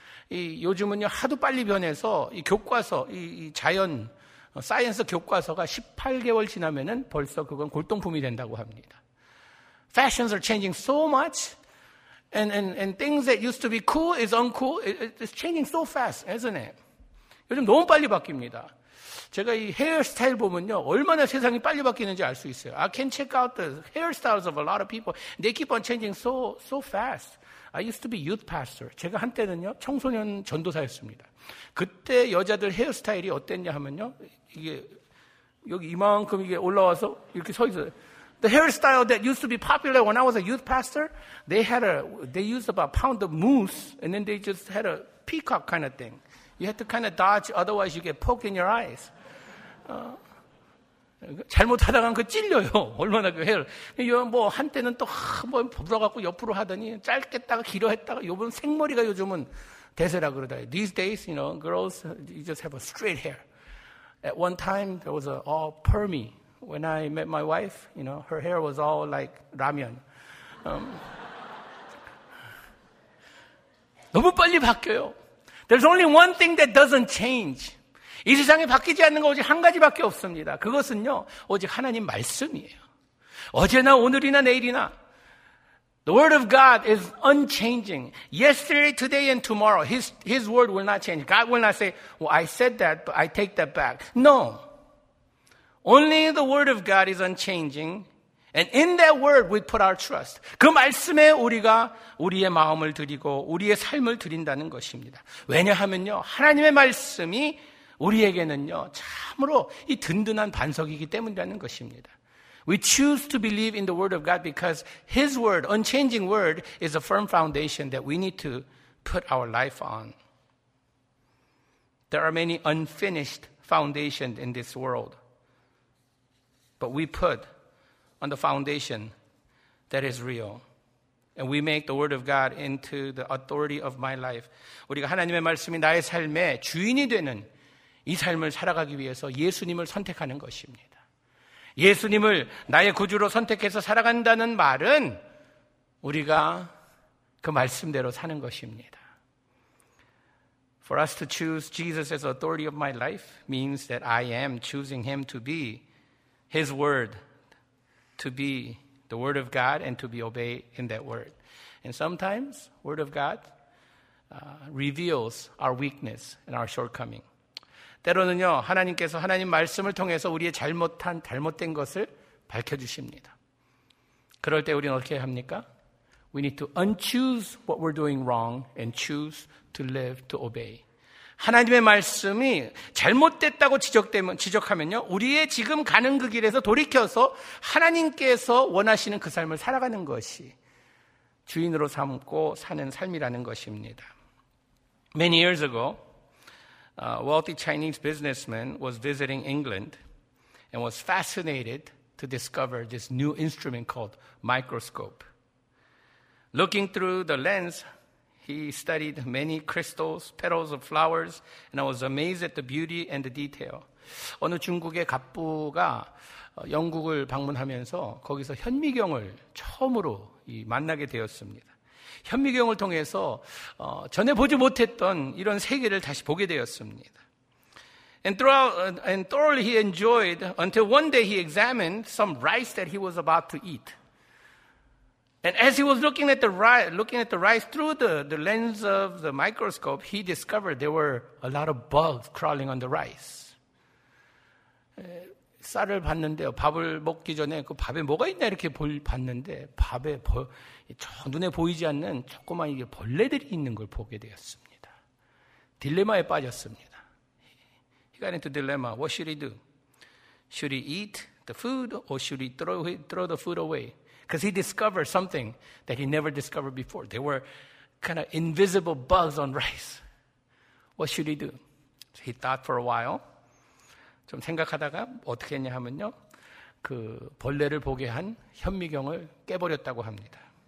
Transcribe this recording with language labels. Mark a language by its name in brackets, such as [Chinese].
[Korean] 요즘은요 하도 빨리 변해서 이 교과서, 이 자연 사이언스 교과서가 18개월 지나면은 벌써 그건 골동품이 된다고 합니다. [English] Fashions are changing so much, and things that used to be cool is uncool. It's changing so fast, isn't it? [Korean] 요즘 너무 빨리 바뀝니다. 제가 이 헤어스타일 보면요 얼마나 세상이 빨리 바뀌는지 알 수 있어요. [English] I can check out the hairstyles of a lot of people. They keep on changing so fast. I used to be youth pastor. [Korean] 제가 한때는요 청소년 전도사였습니다. 그때 여자들 헤어스타일이 어땠냐 하면요 이게 여기 이만큼 이게 올라와서 이렇게 서 있어요. [English] The hairstyle that used to be popular when I was a youth pastor, they used about a pound of mousse, and then they just had a peacock kind of thing. You had to kind of dodge, otherwise you get poked in your eyes. [Korean] 잘못하다간 그 찔려요. 얼마나 그 헤어. 뭐 한때는 또 한번 부러갖고 옆으로 하더니 짧게 했다가 길어 했다가 요번 생머리가 요즘은 대세라 그러다. [English] These days, you know, girls, you just have a straight hair. At one time, there was all permy. When I met my wife, you know, her hair was all like ramen. [Korean] 너무 빨리 바뀌어요. [English] There's only one thing that doesn't change. [Korean] 이 세상에 바뀌지 않는 거 오직 한 가지밖에 없습니다. 그것은요, 오직 하나님 말씀이에요. 어제나 오늘이나 내일이나. [English] The word of God is unchanging. Yesterday, today, and tomorrow, His word will not change. God will not say, well, I said that, but I take that back. No. Only the word of God is unchanging. And in that word, we put our trust. [Korean] 그 말씀에 우리가 우리의 마음을 드리고 우리의 삶을 드린다는 것입니다. 왜냐하면요, 하나님의 말씀이 우리에게는요, 참으로 이 든든한 반석이기 때문이라는 것입니다. [English] We choose to believe in the word of God because His word, unchanging word, is a firm foundation that we need to put our life on. There are many unfinished foundations in this world. But we put on the foundation that is real. And we make the word of God into the authority of my life. [Korean] 우리가 하나님의 말씀이 나의 삶의 주인이 되는 이 삶을 살아가기 위해서 예수님을 선택하는 것입니다. 예수님을 나의 구주로 선택해서 살아간다는 말은 우리가 그 말씀대로 사는 것입니다. [English] For us to choose Jesus as authority of my life means that I am choosing him to be his word, to be the word of God and to be obeyed in that word. And sometimes word of God reveals our weakness and our shortcoming. [Korean] 때로는요, 하나님께서 하나님 말씀을 통해서 우리의 잘못된 것을 밝혀주십니다. 그럴 때 우리는 어떻게 합니까? [English] We need to unchoose what we're doing wrong and choose to live to obey. [Korean] 하나님의 말씀이 잘못됐다고 지적하면요, 우리의 지금 가는 그 길에서 돌이켜서 하나님께서 원하시는 그 삶을 살아가는 것이 주인으로 삼고 사는 삶이라는 것입니다. [English] Many years ago, a wealthy Chinese businessman was visiting England and was fascinated to discover this new instrument called microscope. Looking through the lens, he studied many crystals, petals of flowers, and I was amazed at the beauty and the detail. [Korean] 어느 중국의 갑부가 영국을 방문하면서 거기서 현미경을 처음으로 만나게 되었습니다. 현미경을 통해서 전에 보지 못했던 이런 세계를 다시 보게 되었습니다. [English] And thoroughly he enjoyed until one day he examined some rice that he was about to eat. And as he was looking at the rice through the lens of the microscope, he discovered there were a lot of bugs crawling on the rice. [Korean] 쌀을 봤는데요. 밥을 먹기 전에 그 밥에 뭐가 있나 이렇게 봤는데 밥에 눈에 보이지 않는 조그만 이게 벌레들이 있는 걸 보게 되었습니다. 딜레마에 빠졌습니다. [English] He got into dilemma. What should he do? Should he eat the food or should he throw the food away? Because he discovered something that he never discovered before. There were kind of invisible bugs on rice. What should he do? So he thought for a while. [Korean] 좀 생각하다가 어떻게 했냐 하면요. 그 벌레를 보게 한 현미경을 깨버렸다고 합니다.